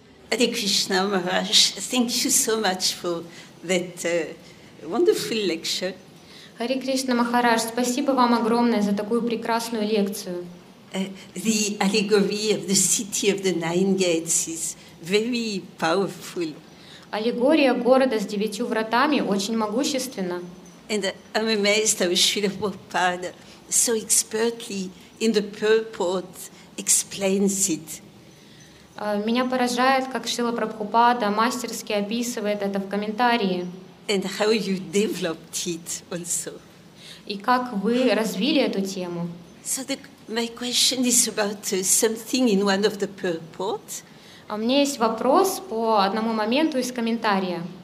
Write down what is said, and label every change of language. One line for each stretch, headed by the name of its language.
English: Hare Krishna Maharaj, thank you so much for that wonderful lecture.
Russian: Hare Krishna Maharaj, спасибо вам огромное за такую прекрасную лекцию.
English: The allegory of the city of the nine gates is very powerful.
Russian: Аллегория города с девятью вратами очень могущественна.
English: And I'm amazed how Srila Prabhupada so expertly in the purport explains it.
Russian: Меня поражает, как Шрила Прабхупада мастерски описывает это в комментарии.
English: And how you developed it also.
Russian: И как вы развили эту тему.
English: So my question is about something in one of the purport.
Russian: У меня есть вопрос по одному моменту из комментария.